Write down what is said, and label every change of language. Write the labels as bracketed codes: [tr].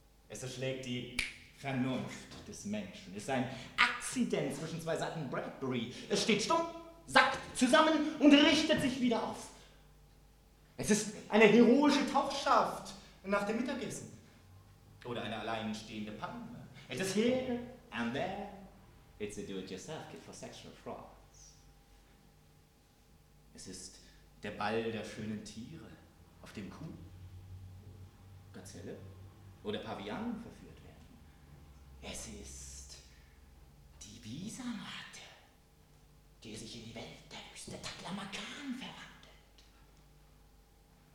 [de] Es erschlägt die Vernunft des Menschen. Es ist ein Akzident zwischen zwei Seiten Bradbury. Es steht stumm, sackt zusammen und richtet sich wieder auf. Es ist eine heroische Tauchschaft nach dem Mittagessen. Oder eine alleinstehende Panne. [en] It is here and there. It's a do-it-yourself kit for sexual frauds. [de] Es ist der Ball der schönen Tiere, auf dem Kuh, Gazelle oder Pavian verführt werden. Es ist die Bisamratte, die sich in die Welt der Wüste Taklamakan verwandelt.